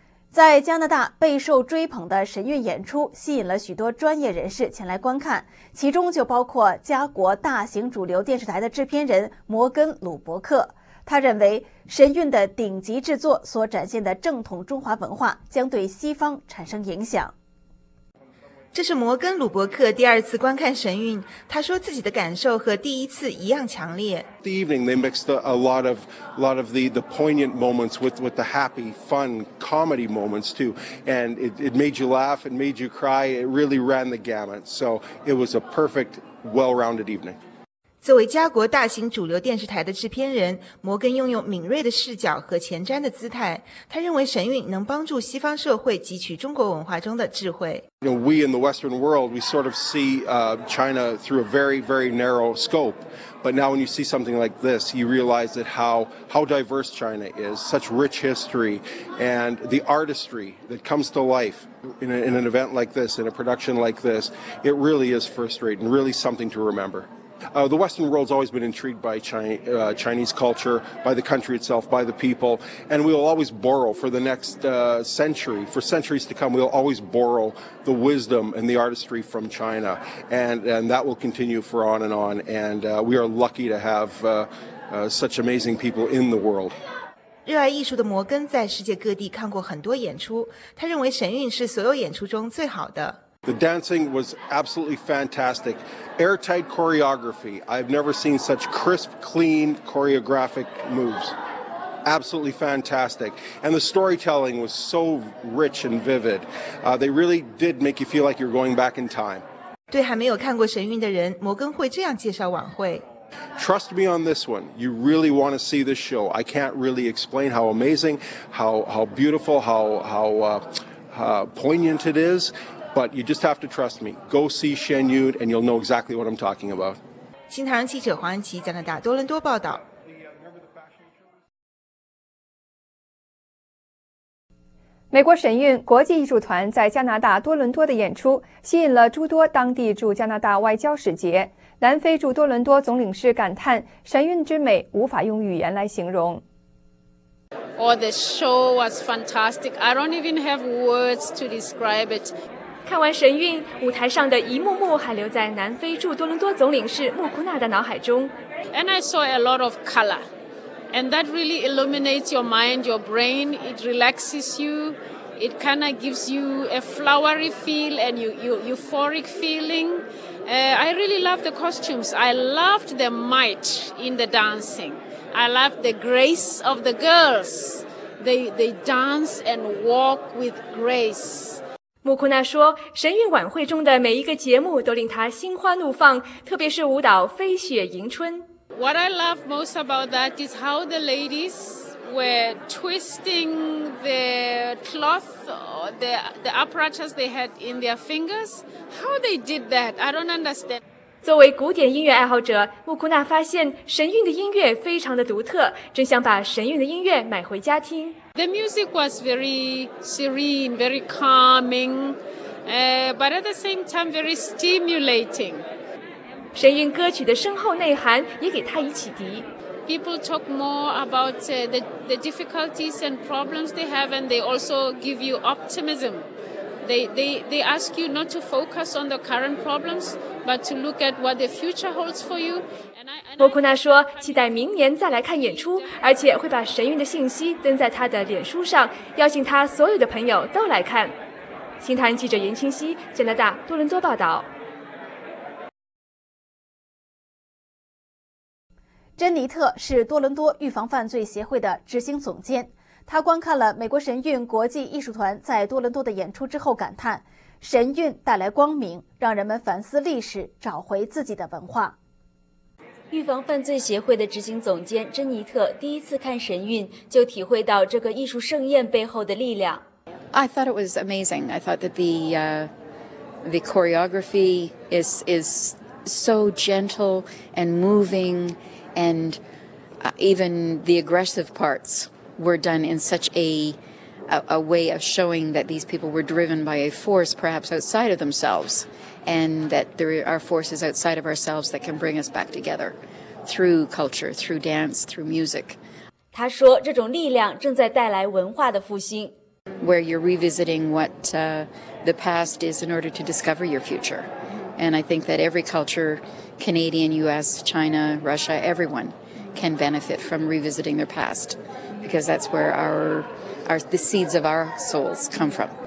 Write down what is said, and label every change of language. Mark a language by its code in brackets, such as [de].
[zh] 在加拿大备受追捧的神韵演出吸引了许多专业人士前来观看，其中就包括加国大型主流电视台的制片人摩根·鲁伯克。他认为神韵的顶级制作所展现的正统中华文化将对西方产生影响。这是摩根·鲁伯克第二次观看神韵，他说自己的感受和第一次一样强烈。 [en] The evening they mixed a lot of the poignant moments with the happy, fun comedy moments too, and it made you laugh, it made you cry, it really ran the gamut. So it was a perfect, well-rounded evening. [zh] 作为加国大型主流电视台的制片人，摩根拥有敏锐的视角和前瞻的姿态，他认为神韵能帮助西方社会汲取中国文化中的智慧。 [en] You know, we in the Western world, we sort of see China through a very, very narrow scope. But now when you see something like this, you realize that how diverse China is, such rich history, and the artistry that comes to life in an event like this, in a production like this, it really is first-rate and really something to remember. The Western world's always been intrigued by Chinese culture, by the country itself, by the people, and we'll always borrow for the next century, for centuries to come, we'll always borrow the wisdom and the artistry from China, and that will continue for on and on, and we are lucky to have such amazing people in the world. [zh] 热爱艺术的摩根在世界各地看过很多演出，他认为神韵是所有演出中最好的。 [en] The dancing was absolutely fantastic. Airtight choreography. I've never seen such crisp, clean, choreographic moves. Absolutely fantastic. And the storytelling was so rich and vivid. They really did make you feel like you're going back in time. [zh] 对还没有看过神韵的人，摩根会这样介绍晚会。 [en] Trust me on this one. You really want to see this show. I can't really explain how amazing, how beautiful, how poignant it is. But you just have to trust me. Go see Shen Yun, and you'll know exactly what I'm talking about. [zh] 新唐人记者黄安琪，加拿大多伦多报道。美国神韵国际艺术团在加拿大多伦多的演出，吸引了诸多当地驻加拿大外交使节。南非驻多伦多总领事感叹：“神韵之美，无法用语言来形容。” [en] Oh, the show was fantastic. I don't even have words to describe it. [zh] 看完神韵，舞台上的一幕幕还留在南非驻多伦多总领事穆库纳的脑海中。 [en] And I saw a lot of color, and that really illuminates your mind, your brain. It relaxes you. It kind of gives you a flowery feel and you euphoric feeling. I really love the costumes. I loved the might in the dancing. I loved the grace of the girls. They dance and walk with grace. [zh] 穆库纳说，神韵晚会中的每一个节目都令他心花怒放，特别是舞蹈《飞雪迎春》。 [en] What I love most about that is how the ladies were twisting the cloth, the apparatus they had in their fingers. How they did that, I don't understand. [zh] 作为古典音乐爱好者，穆库纳发现神韵的音乐非常的独特，真想把神韵的音乐买回家听。 [en] The music was very serene, very calming, but at the same time very stimulating. [zh] 神韵歌曲的深厚内涵也给他一启迪。 [en] People talk more about the difficulties and problems they have, and they also give you optimism. They ask you not to focus on the current problems, but to look at what the future holds for you. [zh] 穆库纳说，期待明年再来看演出，而且会把神韵的信息登在他的脸书上，邀请他所有的朋友都来看。新唐记者严清溪，加拿大多伦多报道。珍妮特是多伦多预防犯罪协会的执行总监，他观看了美国神韵国际艺术团在多伦多的演出之后感叹，神韵带来光明，让人们反思历史，找回自己的文化。预防犯罪协会的执行总监珍妮特第一次看神韵，就体会到这个艺术盛宴背后的力量。 [en] I thought it was amazing. I thought that the choreography is so gentle and moving, and even the aggressive parts were done in such a way of showing that these people were driven by a force perhaps outside of themselves. And that there are forces outside of ourselves that can bring us back together through culture, through dance, through music. [zh] 他说，这种力量正在带来文化的复兴。 [en] Where you're revisiting what the past is in order to discover your future. And I think that every culture, Canadian, US, China, Russia, everyone can benefit from revisiting their past because that's where the seeds of our souls come from.